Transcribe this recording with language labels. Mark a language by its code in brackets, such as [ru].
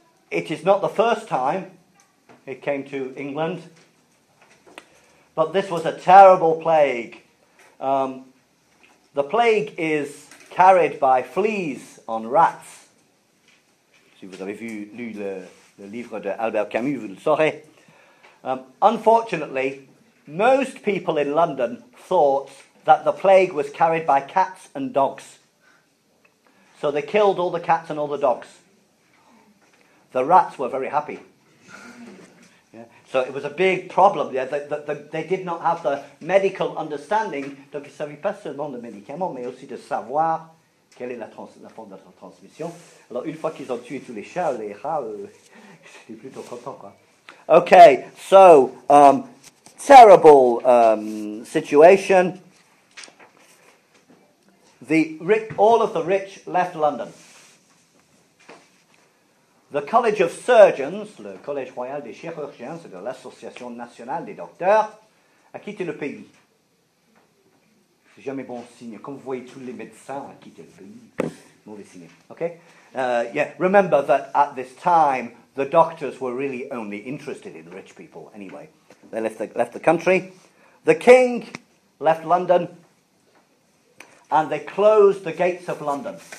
[en] It is not the first time it came to England, but this was a terrible plague. The plague is carried by fleas on rats. [fr] Si vous avez lu le livre de Albert Camus, vous le saurez. [en] Unfortunately, most people in London thought that the plague was carried by cats and dogs. So they killed all the cats and all the dogs. The rats were very happy. Yeah. So it was a big problem. Yeah, they did not have the medical understanding. [fr] Donc ils ne savaient pas seulement de médicaments, mais aussi de savoir quelle est la forme de la transmission. Alors une fois qu'ils ont tué tous les rats, c'était plutôt content, quoi. [en] Okay, so, terrible situation. All of the rich left London. [fr] The College of Surgeons, le Collège Royal des Chirurgiens, c'est l'Association Nationale des Docteurs, a quitté le pays. C'est jamais bon signe. Comme vous voyez, tous les médecins ont quitté le pays. Mauvais signe. Okay? [en] Yeah, remember that at this time, the doctors were really only interested in rich people anyway. They left the country. The king left London and they closed the gates of London.